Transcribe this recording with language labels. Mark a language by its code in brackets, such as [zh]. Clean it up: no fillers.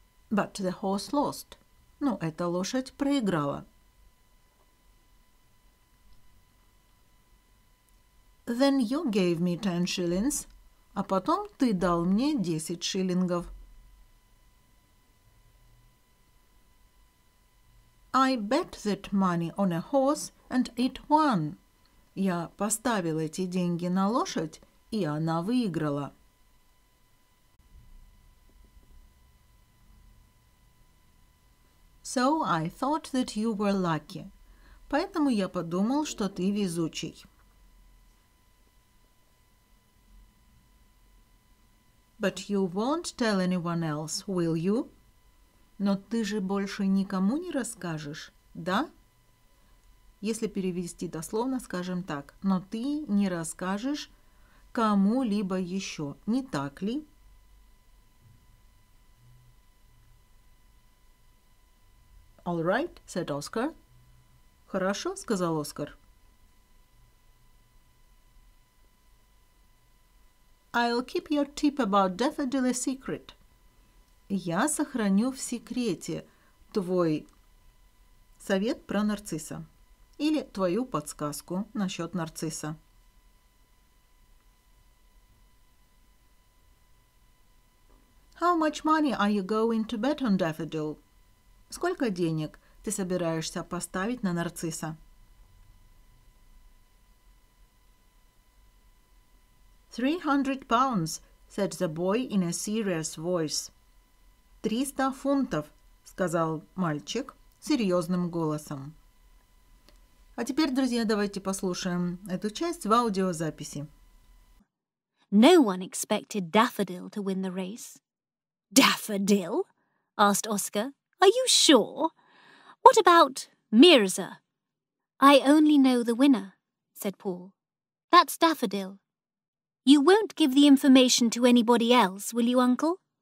[en] But the horse lost. [ru] Ну, эта лошадь проиграла. [en] Then you gave me 10 shillings. [ru] А потом ты дал мне 10 шиллингов. [en] I bet that money on a horse and it won. [ru] Я поставил эти деньги на лошадь, и она выиграла. [en] So I thought that you were lucky. [ru] Поэтому я подумал, что ты везучий. [en] But you won't tell anyone else, will you? [ru] Но ты же больше никому не расскажешь, да? Если перевести дословно, скажем так. Но ты не расскажешь кому-либо еще, не так ли? [en] All right, said Oscar. [ru] Хорошо, сказал Оскар. [en] I'll keep your tip about Daffodil a secret. [ru] Я сохраню в секрете твой совет про нарцисса или твою подсказку насчет нарцисса. [en] How much money are you going to bet on Daffodil? [ru] Сколько денег ты собираешься поставить на нарцисса? [en] 300 pounds, said the boy in a serious voice. [ru] 300 фунтов, сказал мальчик серьезным голосом. А теперь, друзья, давайте послушаем эту часть в аудиозаписи. [en] No one expected Daffodil to win the race. Daffodil? Asked Oscar. Are you sure? What about Mirza? I only know the winner, said Paul. That's Daffodil. You won't give the information to anybody else, will you, Uncle?